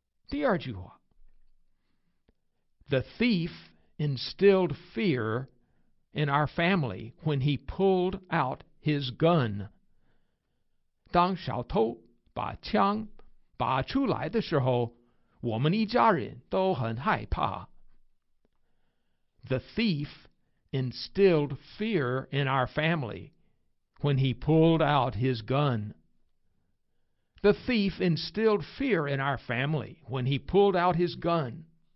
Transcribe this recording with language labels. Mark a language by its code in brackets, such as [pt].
[zh] 第二句话， [en] The thief instilled fear in our family when he pulled out his gun. [zh] 当小偷把枪拔出来的时候，我们一家人都很害怕。 [en] The thief instilled fear in our family when he pulled out his gun. The thief instilled fear in our family when he pulled out his gun.